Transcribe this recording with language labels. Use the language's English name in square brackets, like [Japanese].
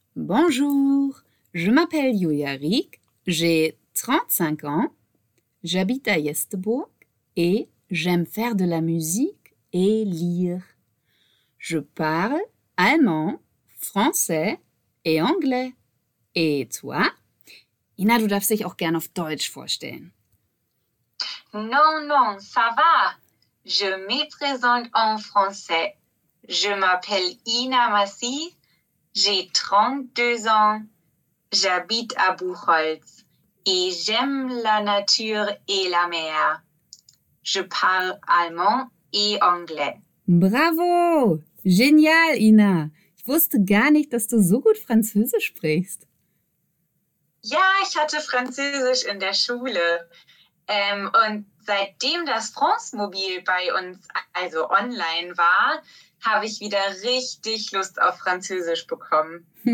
[French] Bonjour, je m'appelle Yuyarik, j'ai 35 ans, j'habite à Gästebourg et j'aime faire de la musique et lire. Je parle allemand, français et anglais. Et toi? [German] Ina, du darfst dich auch gern auf Deutsch vorstellen. [French] Non, ça va. Je me présente en français. Je m'appelle Ina Massi. J'ai 32 ans, j'habite à Buchholz et j'aime la nature et la mer. Je parle allemand et anglais. Bravo! Génial, Ina! [German] Ich wusste gar nicht, dass du so gut Französisch sprichst. Ja, ich hatte Französisch in der Schule. Und seitdem das France-Mobil bei uns, also online war, habe ich wieder richtig Lust auf Französisch bekommen.